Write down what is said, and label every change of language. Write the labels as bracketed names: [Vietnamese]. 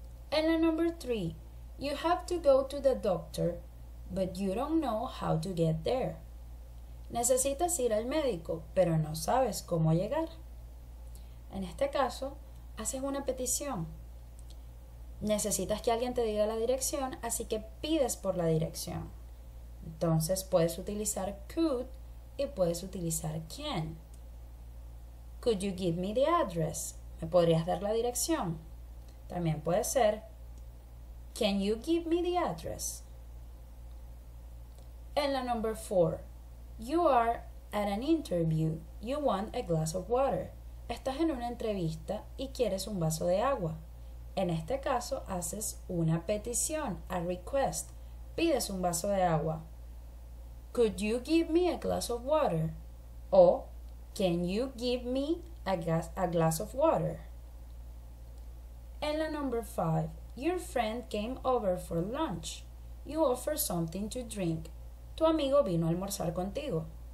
[English] En la number 3, you have to go to the doctor, but you don't know how to get there. [Spanish] Necesitas ir al médico, pero no sabes cómo llegar. En este caso, haces una petición. Necesitas que alguien te diga la dirección, así que pides por la dirección. Entonces, puedes utilizar could y puedes utilizar can. [English] Could you give me the address? [Spanish] ¿Me podrías dar la dirección? También puede ser, [English] can you give me the address? En la number 4, you are at an interview, you want a glass of water. [Spanish] Estás en una entrevista y quieres un vaso de agua. En este caso, haces una petición, a request. Pides un vaso de agua. [English] Could you give me a glass of water? O, can you give me a glass of water? En la number 5, your friend came over for lunch. You offer something to drink. [Spanish] Tu amigo vino a almorzar contigo.